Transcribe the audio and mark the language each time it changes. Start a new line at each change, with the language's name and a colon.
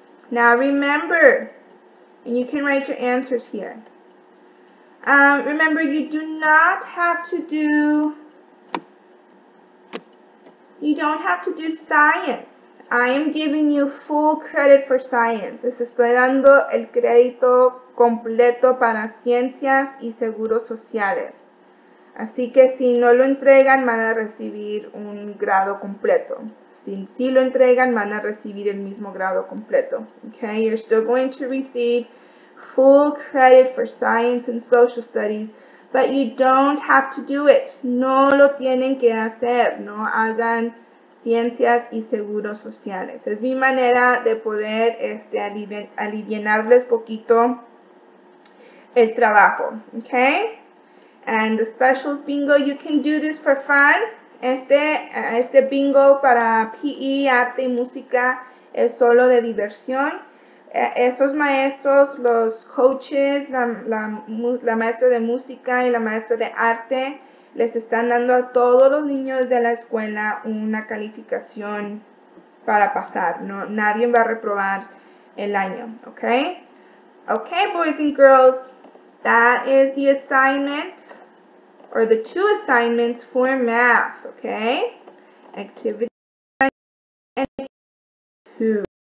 English: Now remember, and you can write your answers here. Remember, you do not have to do, you don't have to do science. I am giving you full credit for science.
Spanish: Les estoy dando el crédito completo para ciencias y seguros sociales. Así que si no lo entregan, van a recibir un grado completo. Si sí lo entregan, van a recibir el mismo grado completo. Okay, you're still going to receive full credit for science and social studies, but you don't have to do it. No lo tienen que hacer. No hagan ciencias y seguros sociales. Es mi manera de poder aliviarles poquito el trabajo.
English: Okay? And the specials bingo, you can do this for fun.
Spanish: Este bingo para PE, arte y música, es solo de diversión. esos maestros, los coaches, la maestra de música y la maestra de arte, les están dando a todos los niños de la escuela una calificación para pasar. No, nadie va a reprobar el año, ¿ok?
English: Ok, boys and girls, that is the assignment, or the two assignments for math, ¿ok? Activity 1 and 2.